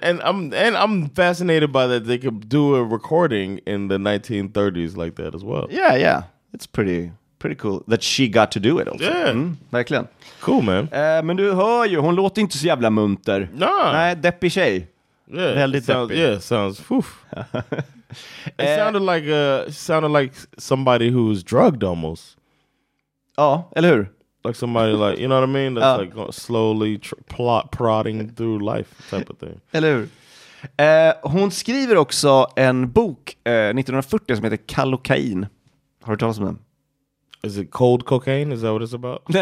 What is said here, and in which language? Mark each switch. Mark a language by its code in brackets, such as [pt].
[en] And I'm fascinated by that they could do a recording in the 1930s like that as well. Yeah, yeah. It's pretty cool that she got to do it also. Yeah. [sv] Verkligen. [en] Cool, man. [sv] Men du hör ju, hon låter inte så jävla munter. [en] Nah. [sv] Nej, deppig tjej. [en] Yeah, [sv] väldigt [en] sounds, yeah, sounds. Oof. It sounded like somebody who's drugged almost. [sv] Oh, eller hur? [en] Like somebody like, you know what I mean? That's like slowly prodding through life type of thing. [sv] Eller hur? Hon skriver också en bok 1940 som heter Kallokain. Har du talat om den? [en] Is it cold cocaine? Is that what it's about?